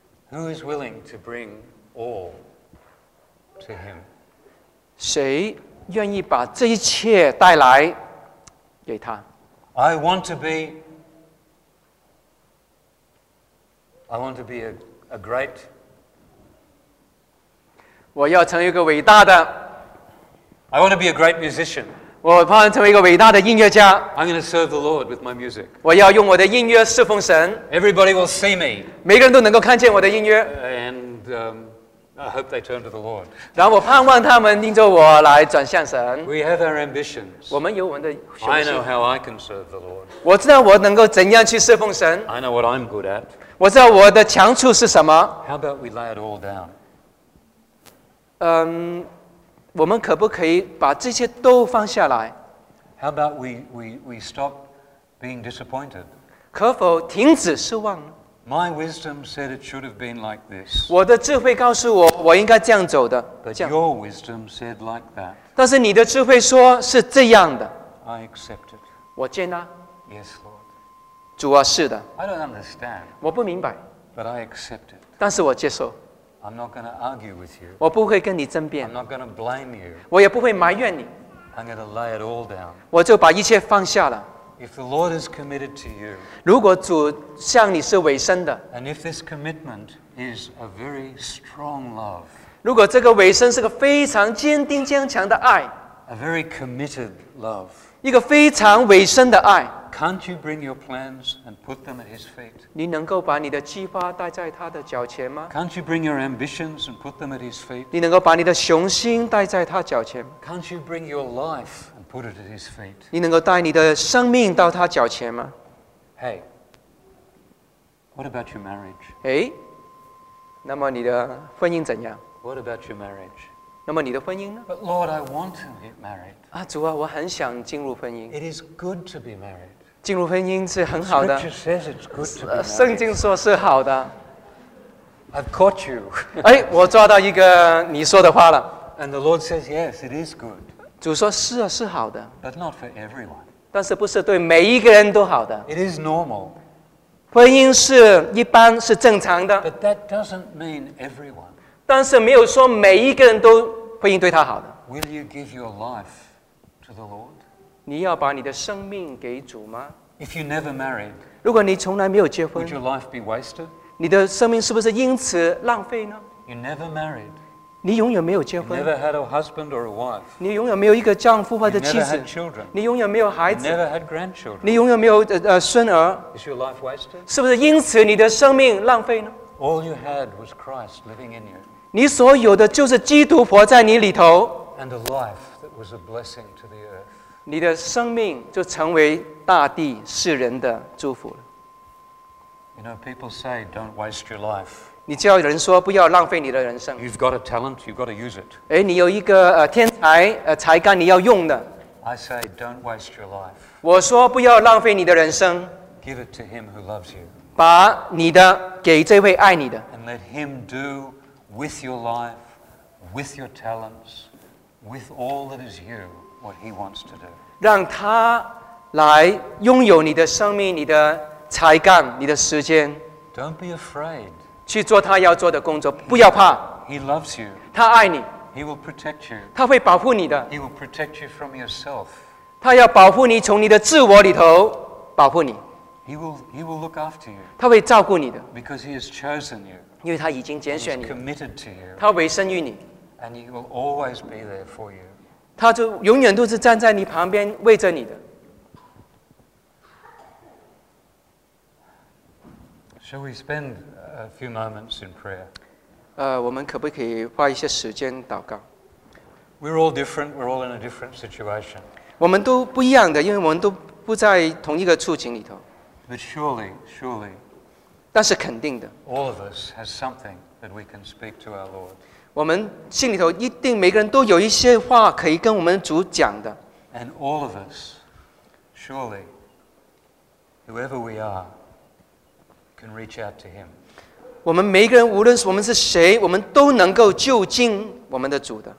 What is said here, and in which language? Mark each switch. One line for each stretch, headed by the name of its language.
English: Who is willing to bring all to him?
Chinese: 谁愿意把这一切带来给他？
English: I want to be a great.
Chinese: 我要成为一个伟大的。
English: I want to be a great musician.
Chinese: 我盼望成为一个伟大的音乐家。
English: I'm going to serve the Lord with my music.
Chinese: 我要用我的音乐侍奉神。
English: Everybody will see me.
Chinese: 每个人都能够看见我的音乐。
English: And I hope they turn to the Lord.
Chinese: 然后我盼望他们听着我来转向神。
English: We have our ambitions.
Chinese: 我们有我们的雄心。
English: I know how I can serve the Lord.
Chinese: 我知道我能够怎样去侍奉神。
English: I know what I'm good at.
Chinese: 我知道我的强处是什么。
English: How about we lay it all down?
Chinese: 我们可不可以把这些都放下来？
English: How about we stop being disappointed?
Chinese: 可否停止失望？
English: My wisdom said it should have been like this.
Chinese: 我的智慧告诉我，我应该这样走的。
English: But your wisdom said like that.
Chinese: 但是你的智慧说是这样的。
English: I accept it.
Chinese: 我接纳。
English: Yes, Lord.
Chinese: 主啊，是的。
English: I don't understand.
Chinese: 我不明白。
English: But I accept it.
Chinese: 但是我接受。
English: I'm not going to argue with you.
Chinese: 我不会跟你争辩。
English: I'm not going to blame you.
Chinese: 我也不会埋怨你。
English: I'm going to lay it all down.
Chinese: 我就把一切放下了。
English: If the Lord is committed to you,
Chinese: 如果主向你是委身的。
English: And if this commitment is a very strong love,
Chinese: 如果这个委身是个非常坚定坚强的爱。
English: A very committed love,
Chinese: 一个非常委身的爱。
English: Can't you bring your plans and put them at his feet?
Chinese: 你能够把你的计划带在他的脚前吗？
English: Can't you bring your ambitions and put them at his feet?
Chinese: 你能够把你的雄心带在他脚前吗？
English: Can't you bring your life and put it at his feet?
Chinese: 你能够带你的生命到他脚前吗？
English: Hey, what about your marriage?
Chinese: Hey, 那么你的婚姻怎样？
English: What about your marriage?
Chinese: 那么你的婚姻呢？
English: But Lord, I want to get married.
Chinese: 啊，主啊，我很想进入婚姻。
English: It is good to be married.
Chinese: 进入婚姻是很好的。
English: Scripture says it's good to be married.
Chinese: 圣经说是好的。
English: I've caught you.
Chinese: 哎，我抓到一个你说的话了。
English: And the Lord says, yes, it is good.
Chinese: 主说是啊，是好的。
English: But not for everyone.
Chinese: 但是不是对每一个人都好的。
English: It is normal.
Chinese: 婚姻是一般是正常的。
English: But that doesn't mean everyone.
Chinese: 但是没有说每一个人都会应对他好的。
English: Will you give your life to the Lord?
Chinese: 你要把你的生命给主吗？
English: If you never married,
Chinese: 如果你从来没有结婚，
English: would your life be wasted?
Chinese: 你的生命是不是因此浪费呢？
English: You never married,
Chinese: 你永远没有结婚。
English: You never had a husband or a wife,
Chinese: 你永远没有一个丈夫或者妻子。
English: You never had children,
Chinese: 你永远没有孩子。
English: You never had grandchildren,
Chinese: 你永远没有孙儿。
English: Is your life wasted?
Chinese: 是不是因此你的生命浪费呢？
English: All you had was Christ living in you.
Chinese: 你所有的就是基督活在你里头。
English: And a life that was a blessing to the earth.
Chinese: 你的生命就成为大地世人的祝福了。
English: You know, people say, "Don't waste your life."
Chinese: 你叫人说不要浪费你的人生。
English: You've got a talent, you've got to use it.
Chinese: 哎，你有一个天才才干，你要用的。
English: I say, don't waste your life.
Chinese: 我说不要浪费你的人生。
English: Give it to him who loves you.
Chinese: 把你的给这位爱你的。
English: And let him do with your life, with your talents, with all that is you, what he wants to do.
Chinese: 让他来拥有你的生命、你的才干、你的时间。
English: Don't be afraid.
Chinese: 去做他要做的工作，不要怕。
English: He loves you.
Chinese: 他爱你。
English: He will protect you.
Chinese: 他会保护你的。
English: He will protect you from yourself.
Chinese: 他要保护你，从你的自我里头保护你。
English: He will look after you.
Chinese: 他会照顾你的。
English: Because he has chosen you.
Chinese: 因为他已经拣选你。
English: He's committed to you.
Chinese: 他委身于你。
English: And he will always be there for you.
Chinese: 他就永远都是站在你旁边为着你的。
English: Shall we spend a few moments in prayer?
Chinese: 我们可不可以花一些时间祷告？
English: We're all different. We're all in a different situation.
Chinese: 我们都不一样的，因为我们都不在同一个处境里头。
English: But surely,
Chinese: 但是肯定的。
English: All of us has something that we can speak to our Lord.
Chinese: 我们心里头一定每个人都有一些话可以跟我们主讲的。
English: And all of us, surely, whoever we are. Can reach out to him.
Chinese: 我们每个人，无论是我们是谁，我们都能够就近我们的主的。